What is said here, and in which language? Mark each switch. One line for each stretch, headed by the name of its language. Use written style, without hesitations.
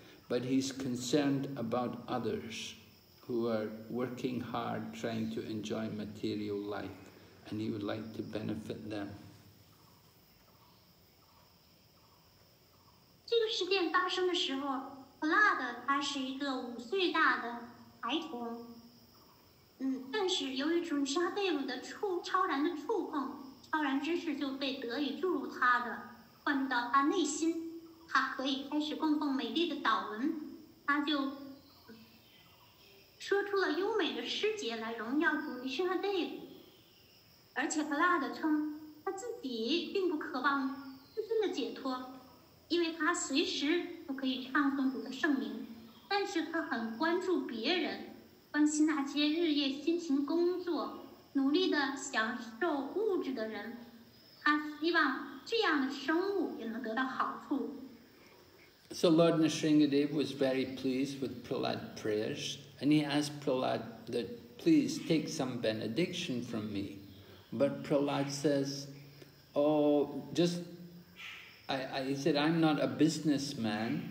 English: But he's concerned about others who are working hard trying to enjoy material life, and he would like to benefit them. This event happened when Prahlad was a 5-year-old child.
Chinese: 但是由于主尼沙德友的超然的触碰，超然知识就被得以注入他的，灌注到他内心，他可以开始供奉美丽的祷文，他就说出了优美的诗节来荣耀主尼沙德友。而且布拉德称他自己并不渴望自身的解脱，因为他随时都可以唱诵主的圣名，但是他很关注别人。关心那些日夜辛勤工作、努力的享受物质的人，他希望这样的生物也能得到好处。
English: So Lord Nrisingadev was very pleased with Prahlad's prayers, and he asked Prahlad that please take some benediction from me. But Prahlad says, "Oh, just I said I'm not a businessman.